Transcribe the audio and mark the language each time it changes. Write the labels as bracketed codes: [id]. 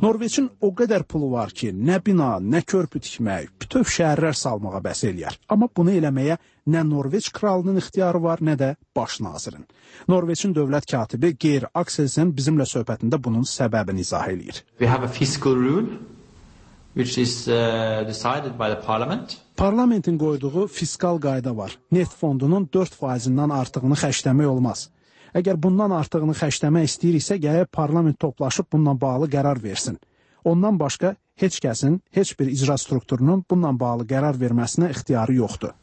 [az] Norveçin o qədər pulu var ki, nə bina, nə körpü tikmək, bütöv şəhərlər salmağa bəs eləyər. Amma bunu eləməyə nə Norveç kralının ixtiyarı var, nə də baş nazirin. Norveçin dövlət katibi Geir Axelsen bizimlə söhbətində bunun səbəbini izah eləyir. [en] We have a fiscal rule. Which is decided by the parliament. [az] Parlamentin qoyduğu fiskal qayda var. Neft fondunun 4%-dən artığını xərcləmək olmaz. Əgər bundan artığını xərcləmək istəyiriksə, gərək parlament toplaşıb bununla bağlı qərar versin. Ondan başqa heç kəsin, heç bir icra strukturunun bununla bağlı qərar verməsinə ixtiyarı yoxdur.